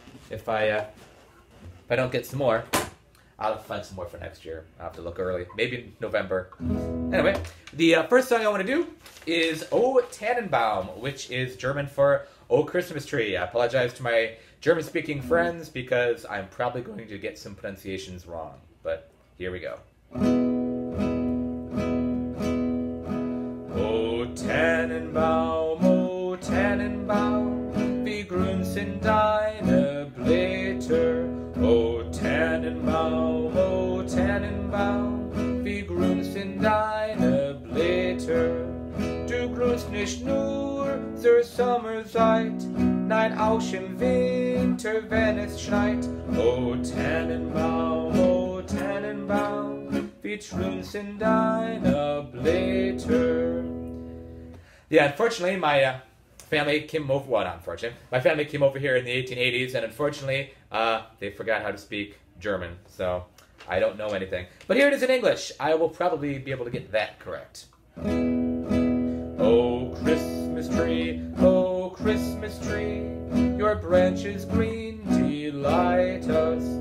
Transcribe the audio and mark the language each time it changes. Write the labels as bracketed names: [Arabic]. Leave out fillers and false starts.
[English] If I don't get some more, I'll find some more for next year. I'll have to look early. Maybe in November. Anyway, the first song I want to do is O Tannenbaum, which is German for O Christmas Tree. I apologize to my German-speaking friends because I'm probably going to get some pronunciations wrong. But here we go. [German] O Tannenbaum, O Tannenbaum, wie grün sind deine Blätter. O Tannenbaum, O Tannenbaum, wie grün sind deine Blätter. Du grünst nicht nur zur Sommerzeit, nein auch im Winter, wenn es schneit. O Tannenbaum, O Tannenbaum, wie grün sind deine Blätter. [English] Yeah, unfortunately, my family came over here in the 1880s, and unfortunately, they forgot how to speak German, so I don't know anything. But here it is in English. I will probably be able to get that correct. Oh, Christmas tree, oh, Christmas tree, your branches green delight us.